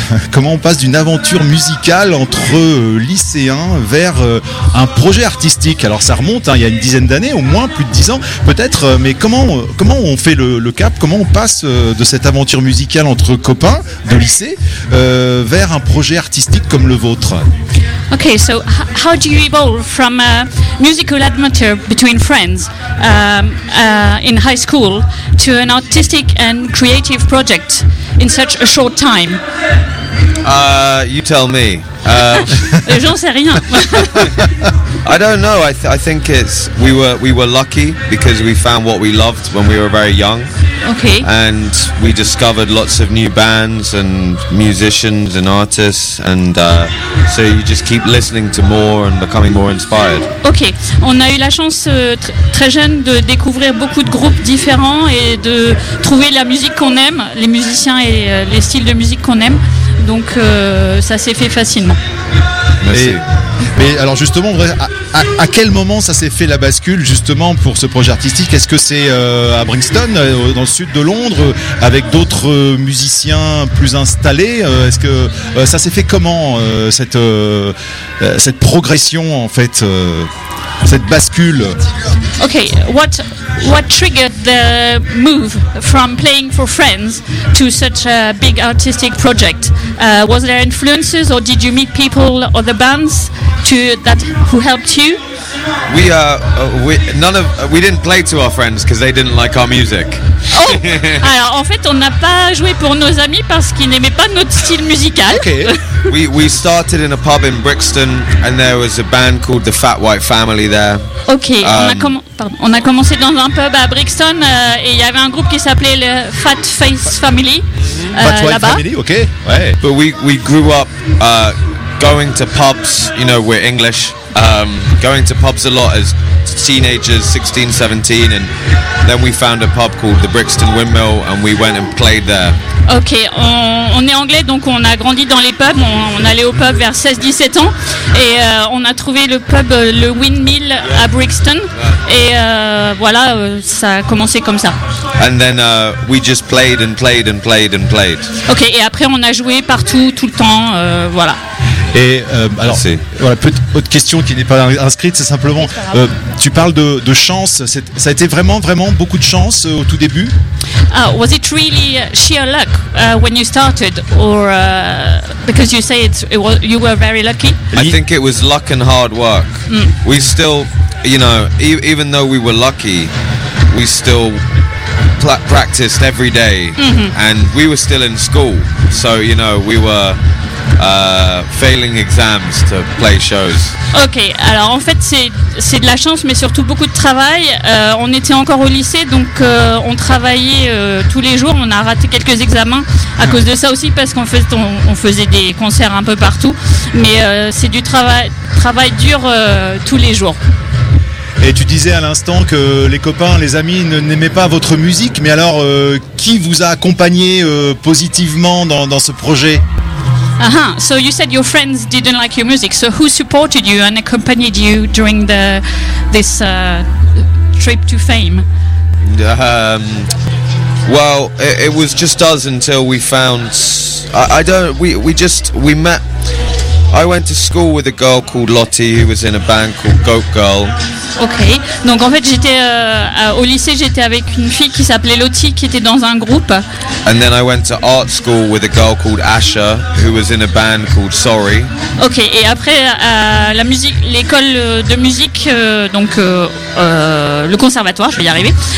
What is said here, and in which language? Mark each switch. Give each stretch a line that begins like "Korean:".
French: Comment on passe d'une aventure musicale entre lycéens vers un projet artistique? Alors ça remonte, hein, il y a une dizaine d'années, au moins plus de 10 ans, peut-être. Mais comment on fait le cap? Comment on passe de cette aventure musicale entre copains de lycée vers un projet artistique comme le vôtre?
English: Okay, so how do you evolve from a musical adventure between friends in high school to an artistic and creative project in such a short time? You tell me.
French: J'en sais rien.
English: I don't know. I think it's we were lucky because we found what we loved when we were very young. Okay. And we discovered lots of new bands and musicians and artists, and so you just keep listening to more and becoming more inspired. Okay.
French: On a eu la chance très jeune de découvrir beaucoup de groupes différents et de trouver la musique qu'on aime, les musiciens et les styles de musique qu'on aime. Donc ça s'est fait facilement. Merci. Mais alors justement, à quel moment ça s'est fait la bascule justement pour ce projet artistique? Est-ce que c'est à Brixton, dans le sud de Londres, avec d'autres musiciens plus installés? Est-ce que ça s'est fait comment, cette progression en fait, cette bascule?
English: Okay, what triggered the move from playing for friends to such a big artistic project? Was there influences, or did you meet people or the bands who helped you? We didn't play to our friends because they didn't like our music.
French: Oh, alors en fait, on n'a pas joué pour nos amis parce qu'ils n'aimaient pas notre style musical.
English: Okay. We started in a pub in Brixton, and there was a band called the Fat White Family there.
French: Okay, on a commencé dans un pub à Brixton et il y avait un groupe qui s'appelait le Fat Face Family.
English: Fat White
French: là-bas.
English: Family, okay. Ouais. But we grew up going to pubs. You know, we're English. Going to pubs a lot as teenagers, 16, 17, and then we found a pub called the Brixton Windmill, and we went and played there.
French: Okay, on est anglais, donc on a grandi dans les pubs. On allait au pub vers 16-17 ans, et on a trouvé le pub le Windmill à Brixton, et voilà, ça a commencé comme ça.
English: And then we just played and played and played and played.
French: Okay, et après on a joué partout, tout le temps, voilà. Et alors, voilà, autre question qui n'est pas inscrite, c'est simplement, tu parles de chance, ça a été vraiment, vraiment beaucoup de chance au tout début?
English: Was it really sheer luck when you started, or because you say you were very lucky? I think it was luck and hard work. Mm. We still, you know, even though we were lucky, we still practiced every day, mm-hmm. and we were still in school, so, you know, we were... failing exams to play shows.
French: Ok, alors en fait c'est de la chance, mais surtout beaucoup de travail. On était encore au lycée, donc on travaillait tous les jours. On a raté quelques examens à cause de ça aussi, parce qu'en fait on faisait des concerts un peu partout. Mais c'est du travail dur tous les jours. Et tu disais à l'instant que les copains, les amis n'aimaient pas votre musique. Mais alors qui vous a accompagné positivement dans ce projet? Uh-huh.
English: So you said your friends didn't like your music. So who supported you and accompanied you during this trip to fame? Well, it was just us until we found. We met. I went to school with a girl called Lottie, who was in a band called Goat Girl. Ok.
French: Donc en fait, j'étais au lycée, j'étais avec une fille qui s'appelait Lottie, qui était dans un groupe.
English: And then I went to art school with a girl called Asha, who was in a band called Sorry. Ok.
French: Et après la musique, l'école de musique, donc le conservatoire, je vais y arriver.